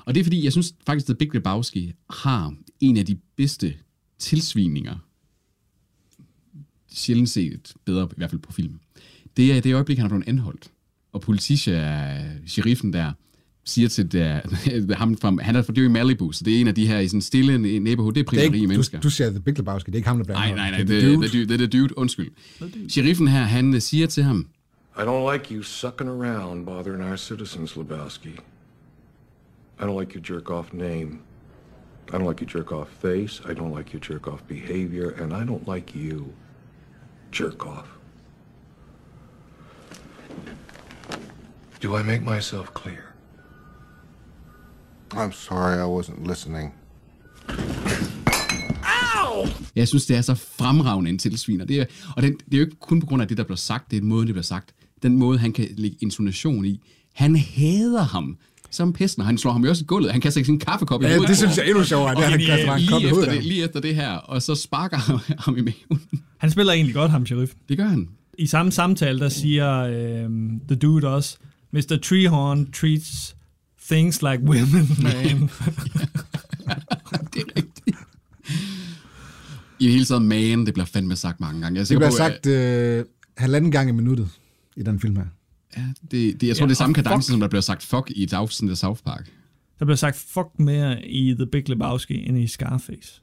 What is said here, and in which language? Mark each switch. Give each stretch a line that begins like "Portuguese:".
Danish: Og det er fordi, jeg synes faktisk, at Big Lebowski har en af de bedste tilsvininger, sjældent set bedre, i hvert fald på film. Det er i det øjeblik, han er blevet anholdt. Og sheriffen der, siger til ham, han er for det er i Malibu, så det er en af de her i sådan stille neighborhood, det er primære rige mennesker. Du siger The Big Lebowski, det er ikke ham, der bliver anholdt. Nej, det er dude, undskyld. Sheriffen her, han siger til ham,
English: I don't like you sucking around bothering our citizens, Lebowski. I don't like your jerk-off name. I don't like your jerk-off face. I don't like your jerk-off behavior. And I don't like you, jerk-off. Do I make myself clear? I'm sorry, I wasn't listening.
Danish: Jeg synes, det er så fremragende en tilsviner. Det er, og den, det er jo ikke kun på grund af det, der bliver sagt. Det er en måde, det bliver sagt. Den måde, han kan lægge intonation i. Han hader ham som pesten. Han slår ham jo også i gulvet. Han kaster ikke sin kaffekop i hovedet. Det synes jeg er endnu sjovere, det er, han kaster bare en kop i hovedet. Lige efter det her. Og så sparker han ham i maven. Han spiller egentlig godt, ham sheriff. Det gør han. I samme samtale, der siger the dude også, Mr.
English: Treehorn treats things like women, man.
Danish: Det er rigtigt. I det hele taget, man, det bliver fandme sagt mange gange. Det bliver sagt halvanden gang i minuttet i den film her. Ja, jeg tror, det er samme kadence, som der bliver sagt fuck i et afsnit af South Park. Der bliver sagt fuck mere i The Big Lebowski end i Scarface.